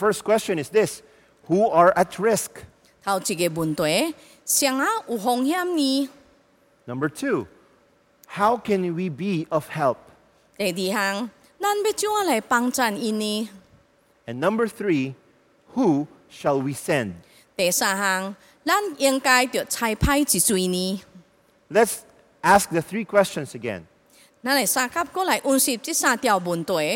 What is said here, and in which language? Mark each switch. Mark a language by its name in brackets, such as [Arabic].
[English] first question is this: Who are at risk? [Min Nan Chinese] 头一个问题，谁有风险呢？ [English] Number two, how can we be of help? [Min Nan Chinese] 第二项，咱要怎样来帮助因呢？ [English] And number three, who shall we send? [Min Nan Chinese] 第三项，咱应该着差派几谁呢？ [English] Let's ask the three questions again. [Min Nan Chinese] 咱来三甲过来温习这三条问题。